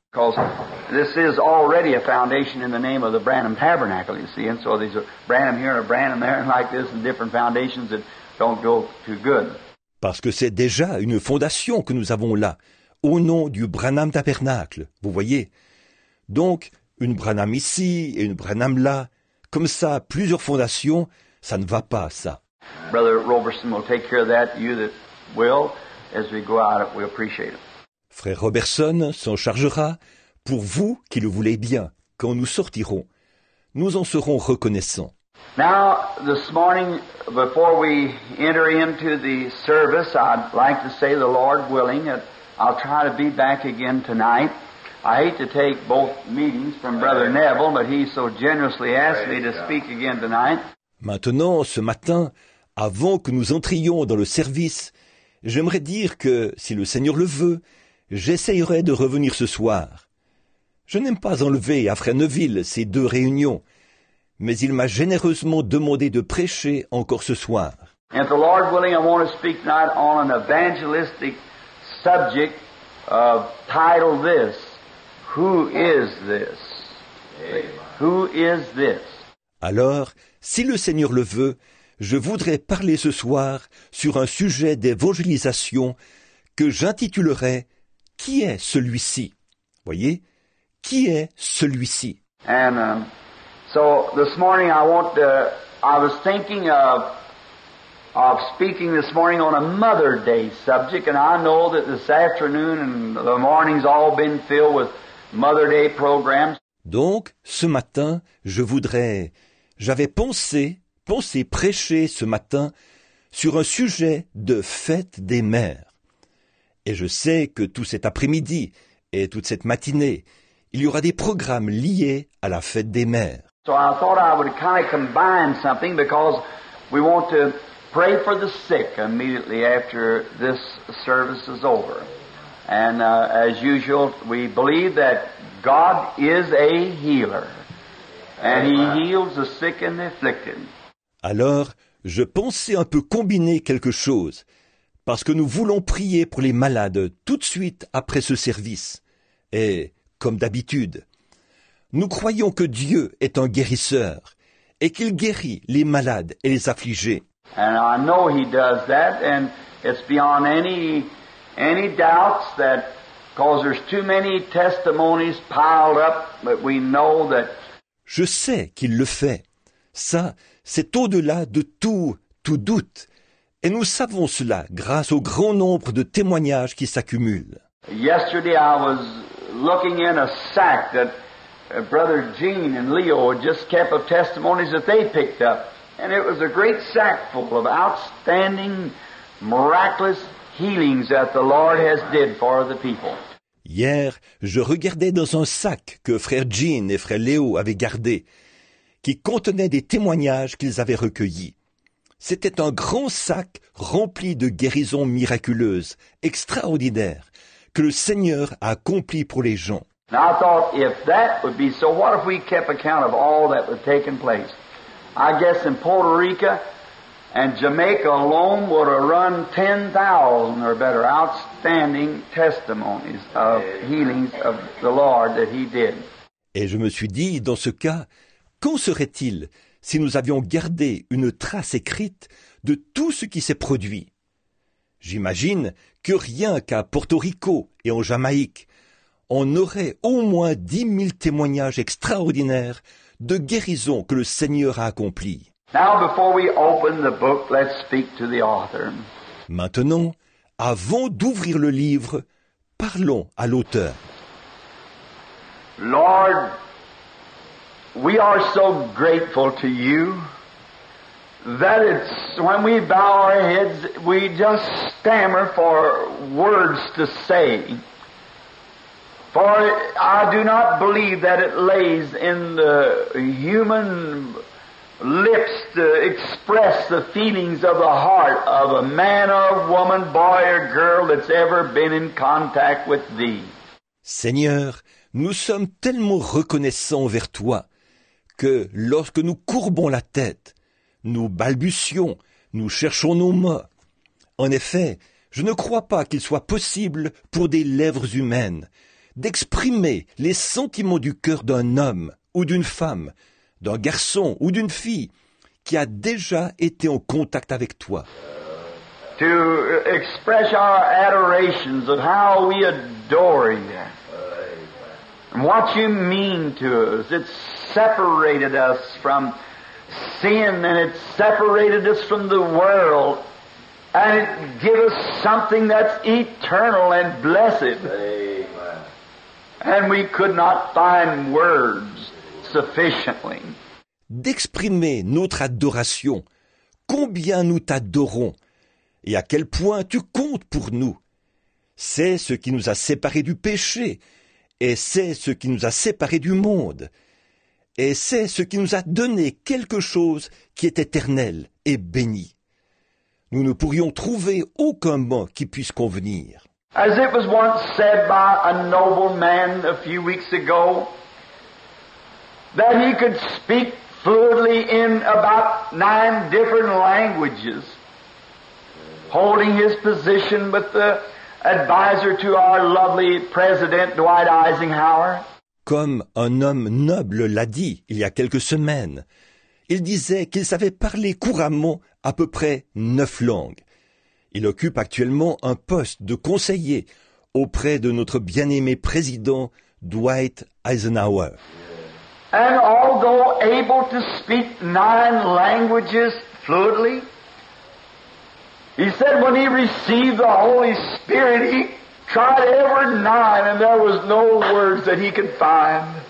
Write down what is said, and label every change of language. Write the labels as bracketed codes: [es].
[en] Because this is already a foundation in the name of the Branham Tabernacle, you see, and so there's a Branham here and a Branham there and like this, and different foundations that don't go too good. [fr] Parce que c'est déjà une fondation que nous avons là, au nom du Branham Tabernacle, vous voyez. Donc, une Branham ici et une Branham là, comme ça, plusieurs fondations, ça ne va pas, ça. [en] Brother Roberson will take care of that. You that will, as we go out, we appreciate it. [fr] Frère Roberson s'en chargera pour vous qui le voulez bien quand nous sortirons. Nous en serons reconnaissants. [en] Now, this morning, before we enter into the service, I'd like to say, the Lord willing, that I'll try to be back again tonight. I hate to take both meetings from Brother Neville, but he so generously asked me to speak again tonight. [fr] Maintenant, ce matin, avant que nous entrions dans le service, j'aimerais dire que, si le Seigneur le veut, j'essayerai de revenir ce soir. Je n'aime pas enlever à Frère Neville ces deux réunions, mais il m'a généreusement demandé de prêcher encore ce soir. [en] And the Lord willing, I want to speak tonight on an evangelistic subject of title this. Who is this? Who is this? [fr] Alors, si le Seigneur le veut, je voudrais parler ce soir sur un sujet d'évangélisation que j'intitulerai « Qui est celui-ci? » Voyez, « Qui est celui-ci? » [en] And so this morning I was thinking of speaking this morning on a Mother's Day subject, and I know that this afternoon and the morning's all been filled with Mother Day programs. [fr] Donc, ce matin, j'avais pensé prêcher ce matin sur un sujet de fête des mères. Et je sais que tout cet après-midi et toute cette matinée, il y aura des programmes liés à la fête des mères. [en] So I thought I would kind of combine something because we want to pray for the sick immediately after this service is over. And as usual, we believe that God is a healer, and He heals the sick and the afflicted. [fr] Alors, je pensais un peu combiner quelque chose, parce que nous voulons prier pour les malades tout de suite après ce service. Et, comme d'habitude, nous croyons que Dieu est un guérisseur, et qu'il guérit les malades et les affligés. [en] And I know He does that, and it's beyond any doubts that, because there's too many testimonies piled up, but we know that... [fr] Je sais qu'il le fait. Ça, c'est au-delà de tout doute. Et nous savons cela grâce au grand nombre de témoignages qui s'accumulent. [en] Yesterday, I was looking in a sack that Brother Gene and Leo had just kept of testimonies that they picked up. And it was a great sack full of outstanding, miraculous healings that the Lord has did for the people. [fr] Hier, je regardais dans un sac que frère Jean et frère Léo avaient gardé, qui contenait des témoignages qu'ils avaient recueillis. C'était un grand sac rempli de guérisons miraculeuses, extraordinaires, que le Seigneur a accompli pour les gens. [en] Now I thought, if that would be so, what if we kept account of all that was taking place? I guess in Puerto Rico and Jamaica alone would have run 10,000 or better outstanding testimonies of healings of the Lord that he did. [fr] Et je me suis dit, dans ce cas, qu'en serait-il si nous avions gardé une trace écrite de tout ce qui s'est produit? J'imagine que rien qu'à Porto Rico et en Jamaïque, on aurait au moins 10 000 témoignages extraordinaires de guérisons que le Seigneur a accomplies. [en] Now before we open the book, let's speak to the author. [fr] Maintenant, avant d'ouvrir le livre, parlons à l'auteur. [en] Lord, we are so grateful to you that it's when we bow our heads, we just stammer for words to say. For I do not believe that it lays in the human lips to express the feelings of the heart of a man or a woman, boy or girl that's ever been in contact with thee. [fr] Seigneur, nous sommes tellement reconnaissants vers toi que lorsque nous courbons la tête, nous balbutions, nous cherchons nos mots. En effet, je ne crois pas qu'il soit possible pour des lèvres humaines d'exprimer les sentiments du cœur d'un homme ou d'une femme, d'un garçon ou d'une fille qui a déjà été en contact avec toi. [en] To express our adorations of how we adore you. What you mean to us, it's separated us from sin and it separated us from the world and it gives us something that's eternal and blessed. And we could not find words sufficiently. [fr] D'exprimer notre adoration, combien nous t'adorons et à quel point tu comptes pour nous. C'est ce qui nous a séparés du péché et c'est ce qui nous a séparés du monde. Et c'est ce qui nous a donné quelque chose qui est éternel et béni. Nous ne pourrions trouver aucun mot qui puisse convenir. [en] As it was once said by a noble man a few weeks ago, that he could speak fluently in about 9 different languages, holding his position with the advisor to our lovely president, Dwight Eisenhower. [fr] Comme un homme noble l'a dit il y a quelques semaines, il disait qu'il savait parler couramment à peu près 9 langues. Il occupe actuellement un poste de conseiller auprès de notre bien-aimé président Dwight Eisenhower. [en] And although able to speak 9 languages fluently, he said when he received the Holy Spirit, he tried every 9 and there was no words that he could find.